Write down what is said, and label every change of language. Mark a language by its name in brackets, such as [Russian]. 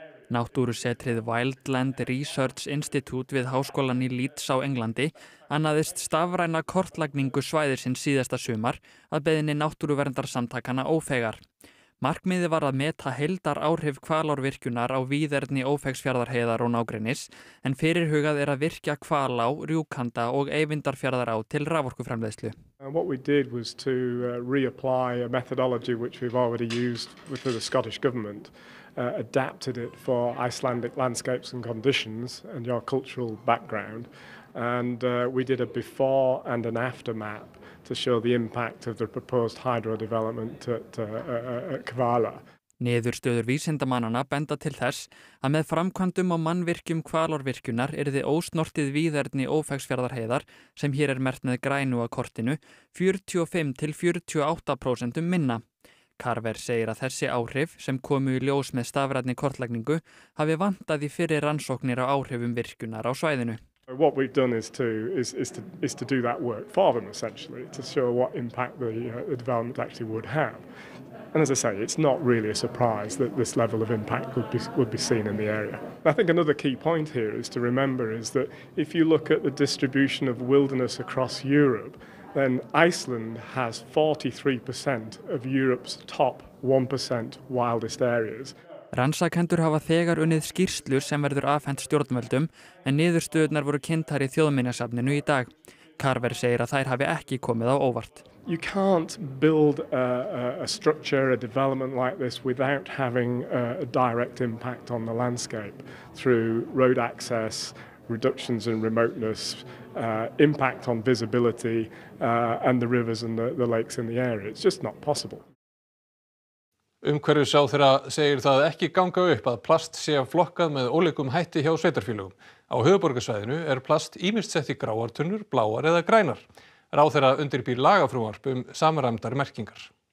[Icelandic] Náttúrusetrið Wildland Research Institute við háskólan í Leeds á Englandi annaðist stafræna kortlagningu svæðisins síðasta sumar að beiðinni náttúruverndarsamtakana Ófeigar. Markmiði var að meta heildar áhrif Hvalárvirkjunar á víðerni Ófeigsfjarðarheiðar og nágrennis en fyrirhugað að virkja Hvalá, Rjúkanda og Eyvindarfjarðará til raforkuframleiðslu. [English] What we did was to reapply a methodology which we've already used with the Scottish government, adapted it for Icelandic landscapes and conditions and your cultural background and we did a before and an after map to show the impact of the proposed hydro development at Kvala. [Icelandic] Niðurstöður vísindamannanna benda til þess að með framkvæmdum á mannvirkjum Hvalárvirkjunar yrði ósnortið víðerni Ófeigsfjarðarheiðar sem hér merkt með grænu á kortinu 45-48% minna. Carver segir að þessi áhrif sem komu í ljós með stafrænni kortlagningu hafi vantað í fyrri rannsóknir á áhrifum virkjunar á svæðinu. [English] What we've done is to do that work for them essentially to show what impact the development actually would have. And as I say, it's not really a surprise that this level of impact would be seen in the area. I think another key point here is to remember is that if you look at the distribution of wilderness across Europe, then Iceland has 43% of Europe's top 1% wildest areas. [Icelandic] Rannsakendur hafa þegar unnið skýrslur sem verður afhent stjórnvöldum en niðurstöðurnar voru kynntar í þjóðminjasafninu í dag. Carver segir að þær hafi ekki komið á óvart. [English] You can't build a structure, a development like this without having a direct impact on the landscape through road access, reductions in remoteness, impact on visibility and the rivers and the lakes in the area. It's just not possible. [Icelandic] Umhverfisráðherra segir það ekki ganga upp að plast sé flokkað með ólíkum hætti hjá sveitarfélögum. Á höfuðborgarsvæðinu er plast ýmist sett í gráar tunnur, bláar eða grænar. Ráðherra undirbýr lagafrumvarp samræmdar merkingar.